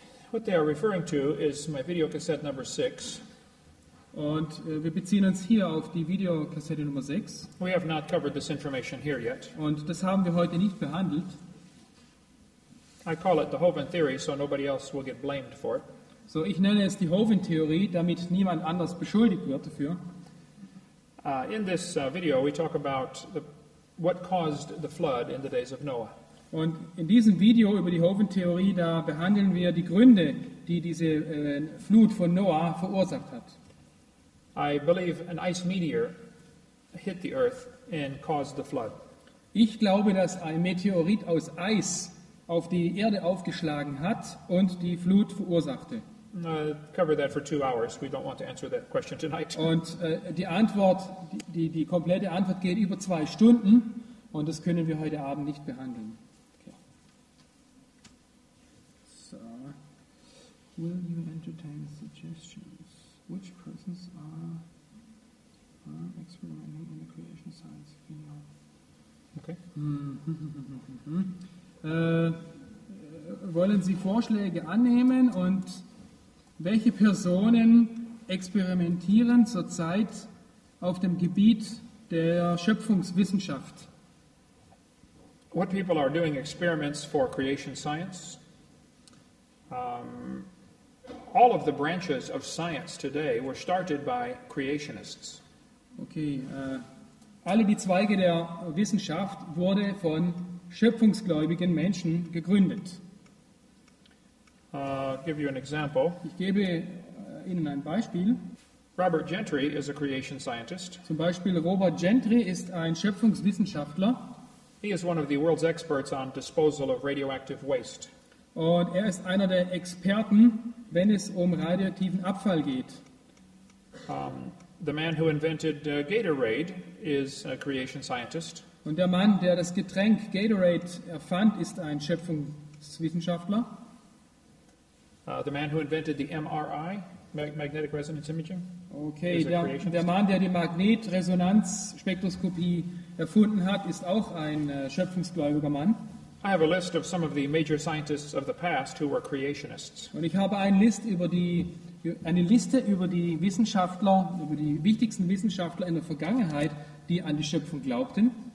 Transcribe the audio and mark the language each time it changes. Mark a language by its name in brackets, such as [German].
[English] What they are referring to is my video cassette number 6. [German] Und wir beziehen uns hier auf die Videokassette Nummer 6. [English] We have not covered this information here yet. [German] Und das haben wir heute nicht behandelt. [English] I call it the Hovind theory, so nobody else will get blamed for it. [German] So, ich nenne es die Hovind-Theorie, damit niemand anders beschuldigt wird dafür. [English] In this video, we talk about what caused the flood in the days of Noah. [German] Und in diesem Video über die Hovind-Theorie, da behandeln wir die Gründe, die diese Flut von Noah verursacht hat. [English] I believe an ice meteor hit the earth and caused the flood. [German] Ich glaube, dass ein Meteorit aus Eis auf die Erde aufgeschlagen hat und die Flut verursachte. [English] Cover that for 2 hours. We don't want to answer that question tonight. [German] Und die Antwort, die komplette Antwort geht über 2 Stunden und das können wir heute Abend nicht behandeln. [English] Okay. So, will you entertain suggestions? Which persons are experimenting in the creation science field? Okay. [German] Wollen Sie Vorschläge annehmen und welche Personen experimentieren zurzeit auf dem Gebiet der Schöpfungswissenschaft? [English] What people are doing experiments for creation science? All of the branches of science today were started by creationists. [German] Okay, alle die Zweige der Wissenschaft wurde von schöpfungsgläubigen Menschen gegründet. [English] Give you an example. [German] Ich gebe Ihnen ein Beispiel. [English] Robert Gentry is a creation scientist. [German] Zum Beispiel Robert Gentry ist ein Schöpfungswissenschaftler. [English] He is one of the world's experts on disposal of radioactive waste. [German] Und er ist einer der Experten, wenn es um radioaktiven Abfall geht. [English] The man who invented Gatorade is a creation scientist. [German] Und der Mann, der das Getränk Gatorade erfand, ist ein Schöpfungswissenschaftler. [English] The man who invented the MRI, magnetic resonance imaging. [German] Okay, der Mann, der die Magnetresonanzspektroskopie erfunden hat, ist auch ein schöpfungsgläubiger Mann. [English] I have a list of some of the major scientists of the past who were creationists. [German] Und ich habe eine Liste über die Wissenschaftler, über die wichtigsten Wissenschaftler in der Vergangenheit, die an die Schöpfung glaubten.